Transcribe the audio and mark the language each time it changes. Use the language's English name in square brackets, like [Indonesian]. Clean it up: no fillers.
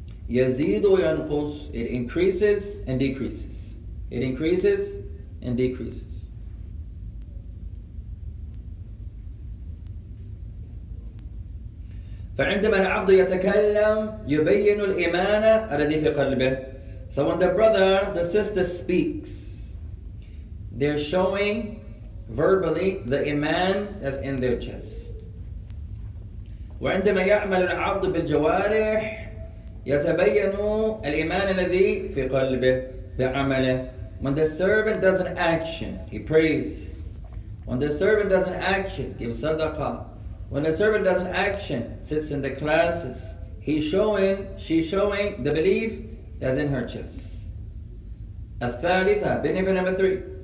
[Arabic] يزيد وينقص [English] it increases and decreases [Arabic] it increases and decreases فعندما العبد يتكلم يبين الإيمان الذي في قلبه. [English] So when the brother, the sister speaks, they're showing verbally the iman that's in their chest. [Arabic] وعندما يعمل العبد بالجوارح يتبين الإيمان الذي في قلبه بعمله. [English] When the servant does an action, he prays. When the servant does an action, gives sadaqah. When a servant does an action, sits in the classes, she's showing the belief that's in her chest. [Arabic] الثالثة, [English] benefit number three.